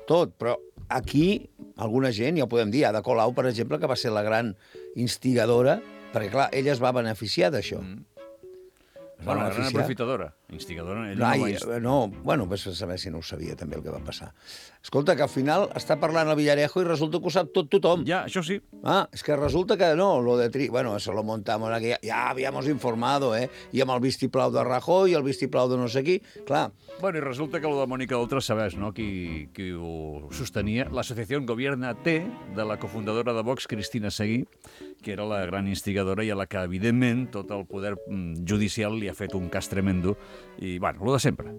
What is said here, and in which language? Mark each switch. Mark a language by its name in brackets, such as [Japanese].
[Catalan] Tot, però aquí, alguna gent, ja ho podem dir, Ada Colau, per exemple, que va ser la gran instigadora, perquè, clar, ella es va beneficiar d'això. Es va beneficiar. Bueno, la gran aprofitadora, instigadora. Ella no, no, bueno, vés a saber si no ho sabia també el que va passar. Escolta, que al final està parlant el Villarejo i resulta que ho sap tot tothom. Ja, això sí. Ah, és que resulta que no, lo de tri... [Spanish] Bueno, eso lo montamos aquí, ya habíamos informado, eh? [Catalan] I amb el vistiplau de Rajoy, el vistiplau de no sé qui, clar. Bueno, i resulta que lo de Mònica Oltra sabés, no?, qui ho sostenia. L'associació Gobierna T, de la cofundadora de Vox, Cristina Seguí, que era la gran instigadora i a la que, evidentment, tot el poder judicial li ha fet un cas tremendo. I, bueno, lo de sempre.